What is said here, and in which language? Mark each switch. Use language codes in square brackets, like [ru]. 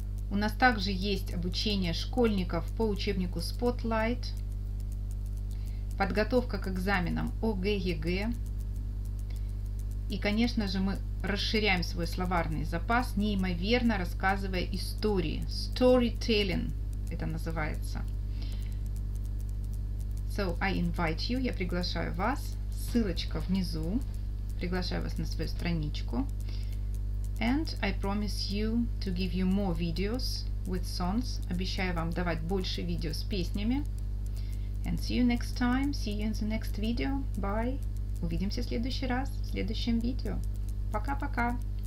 [ru] У нас также есть обучение школьников по учебнику Spotlight, подготовка к экзаменам ОГЭ, ЕГЭ. И, конечно же, мы расширяем свой словарный запас, неимоверно рассказывая истории. Storytelling это называется. [en] So I invite you, [ru] я приглашаю вас. Ссылочка внизу. Приглашаю вас на свою страничку. [en] And I promise you to give you more videos with songs. [ru] Обещаю вам давать больше видео с песнями. [en] And see you next time. See you in the next video. Bye. [ru] Увидимся в следующий раз в следующем видео. Пока-пока!